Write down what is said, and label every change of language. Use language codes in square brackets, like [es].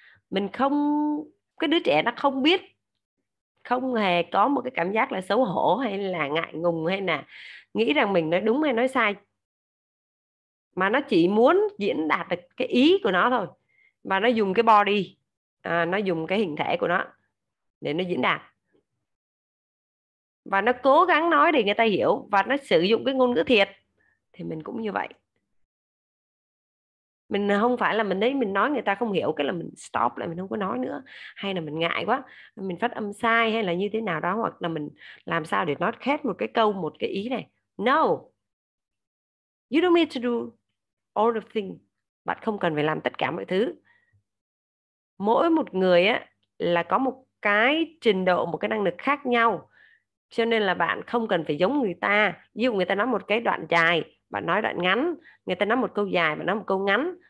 [vi] Mình không, cái đứa trẻ nó không biết, không hề có một cái cảm giác là xấu hổ hay là ngại ngùng hay là nghĩ rằng mình nói đúng hay nói sai, mà nó chỉ muốn diễn đạt được cái ý của nó thôi, và nó dùng cái body, nó dùng cái hình thể của nó để nó diễn đạt, và nó cố gắng nói để người ta hiểu, và nó sử dụng cái ngôn ngữ thiệt. Thì mình cũng như vậy. Mình không phải là mình thấy mình nói người ta không hiểu cái là mình stop lại, mình không có nói nữa, hay là mình ngại quá mình phát âm sai hay là như thế nào đó, hoặc là mình làm sao để nói hết một cái câu, một cái ý này. [en] No, you don't need to do all the things. [vi] Bạn không cần phải làm tất cả mọi thứ. Mỗi một người á là có một cái trình độ, một cái năng lực khác nhau, cho nên là bạn không cần phải giống người ta. Ví dụ người ta nói một cái đoạn dài, bạn nói đoạn ngắn. Người ta nói một câu dài, bạn nói một câu ngắn.